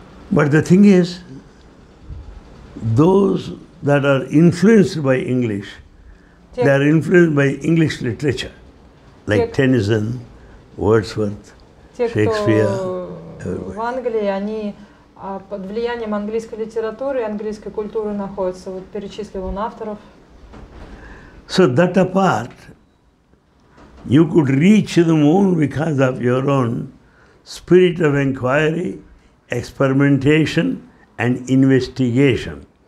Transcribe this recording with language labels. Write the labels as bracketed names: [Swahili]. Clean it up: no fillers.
[English] But the thing is, those that are influenced by English, they are influenced by English literature, like Tennyson, Wordsworth, Shakespeare, everybody. [Russian] В Англии они под влиянием английской литературы и английской культуры находятся. Вот перечислил он авторов. [English] So that apart, you could reach the moon because of your own spirit of inquiry, experimentation and investigation.